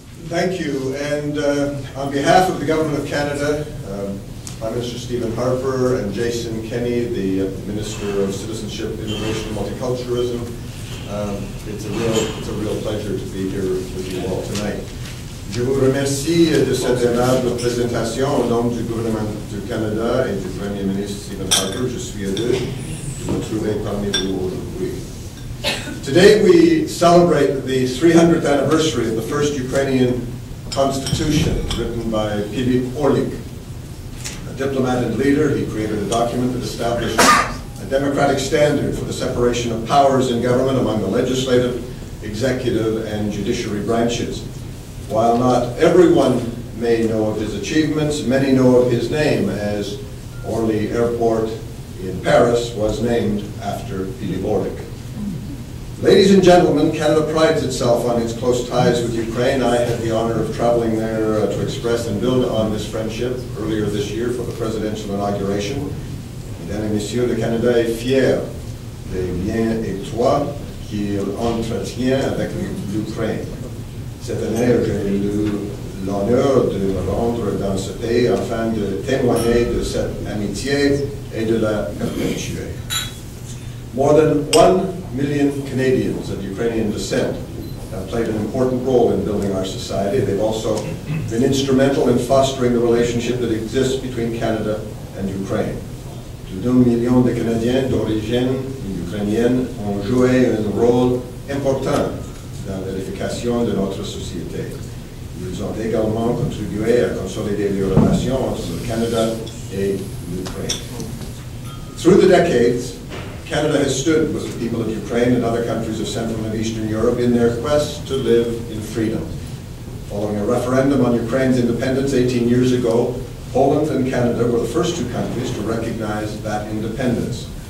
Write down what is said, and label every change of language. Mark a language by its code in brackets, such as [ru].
[en] Thank you, and on behalf of the Government of Canada, Prime Minister Stephen Harper and Jason Kenney, the Minister of Citizenship, Immigration, and Multiculturalism, it's a real pleasure to be here with you all tonight. [fr] Je vous remercie de cette aimable présentation au nom du gouvernement du Canada et du Premier ministre Stephen Harper. Je suis heureux de me trouver parmi vous aujourd'hui. [en] Today we celebrate the 300th anniversary of the first Ukrainian constitution written by Pylyp Orlyk. A diplomat and leader, he created a document that established a democratic standard for the separation of powers in government among the legislative, executive, and judiciary branches. While not everyone may know of his achievements, many know of his name, as Orly Airport in Paris was named after Pylyp Orlyk. Ladies and gentlemen, Canada prides itself on its close ties with Ukraine. I had the honor of traveling there to express and build on this friendship earlier this year for the presidential inauguration. [fr] Mesdames et messieurs, le Canada est fier des liens étroits qu'il entretient avec l'Ukraine. Cette année, j'ai eu l'honneur de me rendre dans ce pays afin de témoigner de cette amitié et de la perpétuer. [en] More than 1 million Canadians of Ukrainian descent have played an important role in building our society. They've also been instrumental in fostering the relationship that exists between Canada and Ukraine. [fr] 2 millions de Canadiens d'origine ukrainienne ont joué un rôle important dans l'édification de notre société. Ils ont également contribué à consolider les relations entre le Canada et l'Ukraine. [en] Through the decades, Canada has stood with the people of Ukraine and other countries of Central and Eastern Europe in their quest to live in freedom. Following a referendum on Ukraine's independence 18 years ago, Poland and Canada were the first two countries to recognize that independence.